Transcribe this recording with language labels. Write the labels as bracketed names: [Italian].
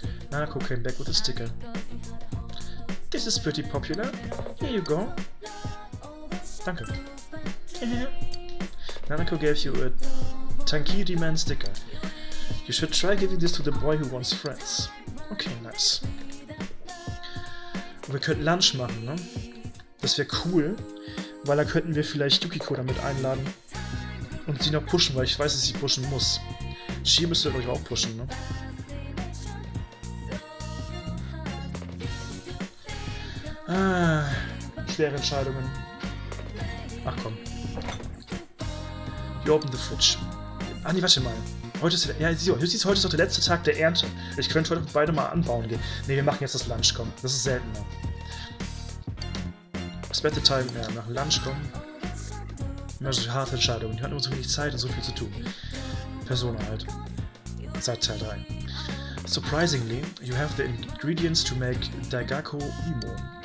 [English] Nanako came back with a sticker. This is pretty popular. Here you go. Danke. Nanako gave you a Tankiri Man sticker. You should try giving this to the boy who wants friends. Okay, nice. [German] Wir könnten Lunch machen, ne? Das wäre cool, weil da könnten wir vielleicht Yukiko damit einladen und sie noch pushen, weil ich weiß, dass sie pushen muss. Shio müsste euch auch pushen, ne? Ah, schwere Entscheidungen. Ach komm. [English] You open the fridge. [German] Ah nee, warte mal. Heute ist ja, heute ist doch der letzte Tag der Ernte. Ich könnte heute beide mal anbauen gehen. Ne, wir machen jetzt das Lunch kommen. Das ist seltener. Das beste Teil, ja, nach Lunch kommen. Das ist eine harte Entscheidung. Die hat nur so wenig Zeit und so viel zu tun. Persona halt. Seit Teil 3. [English] Surprisingly, you have the ingredients to make Daigaku Imo.